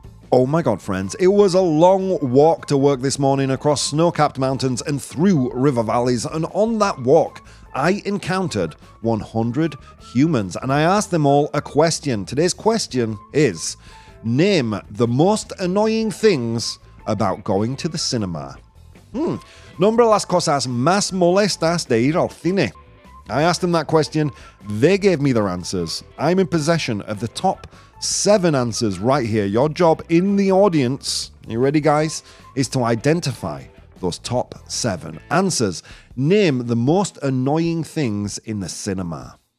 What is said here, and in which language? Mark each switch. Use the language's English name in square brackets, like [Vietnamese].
[English] Oh my God, friends, it was a long walk to work this morning across snow-capped mountains and through river valleys. And on that walk, I encountered 100 humans and I asked them all a question. Today's question is, name the most annoying things about going to the cinema. [Spanish] Nombra las cosas más molestas de ir al cine. [English] I asked them that question. They gave me their answers. I'm in possession of the top 7 answers right here. Your job in the audience, you ready guys, is to identify those top 7 answers. Name the most annoying things in the cinema.